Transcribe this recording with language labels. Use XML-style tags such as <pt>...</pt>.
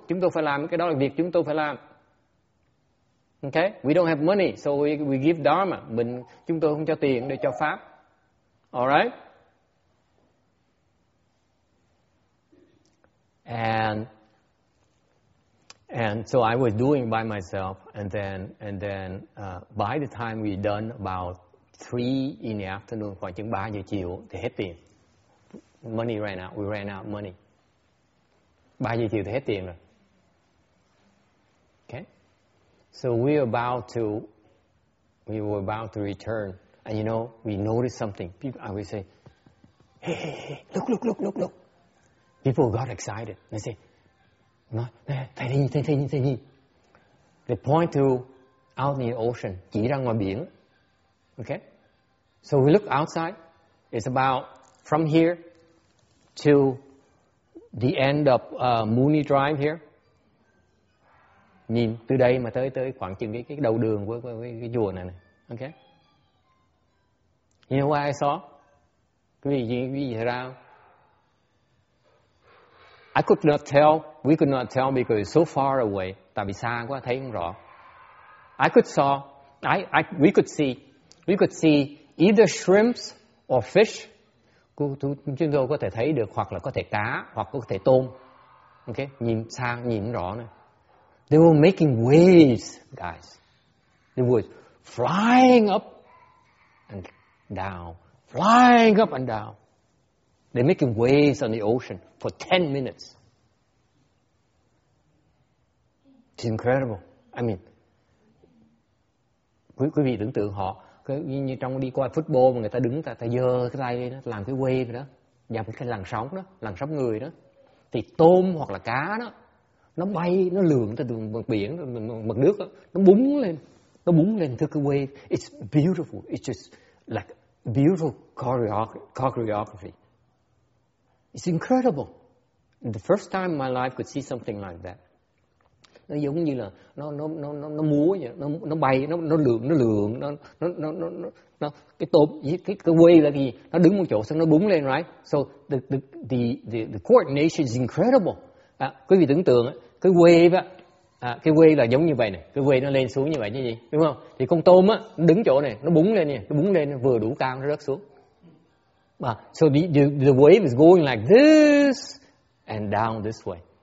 <vi>Chúng tôi phải làm cái đó là việc chúng tôi phải làm. Okay?</vi> <en>We don't have money, so we give dharma.</en> <vi>Chúng tôi không cho tiền để cho pháp.</vi> <en>All right? And so I was doing it by myself, and then by the time we done about 3 in the afternoon,</en> <vi>khoảng chừng 3 giờ chiều thì hết tiền.</vi> <en>Money ran out. We ran out money.</en> <vi>3 giờ chiều thì hết tiền rồi. Okay.</vi> <en>So we were about to return, and you know, we noticed something. People, I would say, hey, look. People got excited. They say,</en> <vi>thầy nhìn.</vi> <en>They point to out in the ocean,</en> <vi>chỉ ra ngoài biển.</vi> <en>Okay. So we look outside. It's about from here to the end of Mooney Drive here.</en> <vi>Nhìn từ đây mà tới khoảng chừng cái đầu đường của cái chùa này này.</vi> <en>Okay. You know what I saw?</en> <vi>Quý vị thấy ra không?</vi> <en>I could not tell, we could not tell because it's so far away.</en> <vi>Tại vì xa quá, thấy không rõ.</vi> <en>We could see either shrimps or fish.</en> <vi>Chúng tôi có thể thấy được hoặc là có thể cá, hoặc có thể tôm. Okay, nhìn xa, nhìn rõ này.</vi> <en>They were making waves, guys. They were flying up and down, flying up and down. They're making waves on the ocean for 10 minutes. It's incredible.</en> <vi>I mean, quý vị tưởng tượng họ như trong đi coi football mà người ta đứng, ta giơ cái tay lên làm cái wave đó, dập cái làn sóng đó, làn sóng người đó, thì tôm hoặc là cá đó nó bay, nó lượn từ đường mặt biển, mặt nước đó, nó búng lên theo cái wave.</vi> <en>It's beautiful. It's just like beautiful choreography. It's incredible. The first time in my life could see something like that.</en> <vi>Nó giống như là nó múa vậy, nó bay, nó lượn, nó cái tôm, cái wave là gì, nó đứng một chỗ xong nó búng lên, right?</vi> <en>So the coordination is incredible.</en> <vi>À, quý vị tưởng tượng cái wave là giống như vậy này, cái wave nó lên xuống như vậy chứ gì, đúng không? Thì con tôm á đứng chỗ này, nó búng lên vừa đủ cao nó rớt xuống.</vi> <en>So the wave is going like this and down this way.</en>